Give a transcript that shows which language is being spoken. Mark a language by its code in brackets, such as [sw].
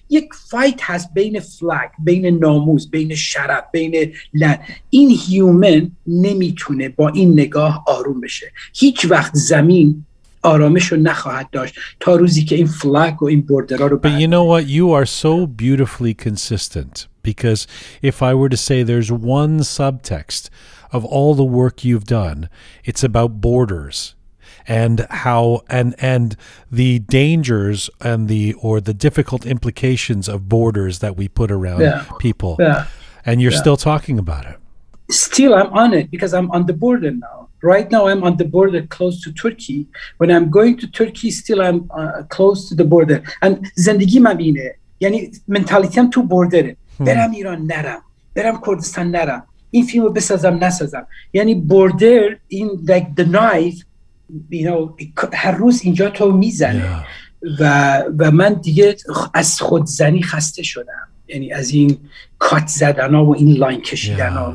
[fa] یک فایت هست بین فلگ، بین ناموس، بین شرف، بین لن. این هیومن نمیتونه با این نگاه آروم بشه. هیچ وقت زمین آرامش رو نخواهد داشت تا روزی که این فلگ و این بوردرا رو بره. [en] But you know what? You are so beautifully consistent. Because if I were to say there's one subtext of all the work you've done, it's about borders. And how and the dangers and the or the difficult implications of borders that we put around people. And you're still talking about it. Still, I'm on it because I'm on the border now. Right now, I'm on the border close to Turkey. When I'm going to Turkey, still I'm close to the border. [fa] And زندگی من اینه. یعنی منتالیتیم تو بوردره. برم ایران نرم. برم کردستان نرم. این فیلمو بسازم نسازم. [en] یعنی border in like the knife. You know, [fa] هر روز اینجا تو میزنه و من دیگه از خودزنی خسته شدم، یعنی از این کات زدن ها و این لاین کشیدن ها.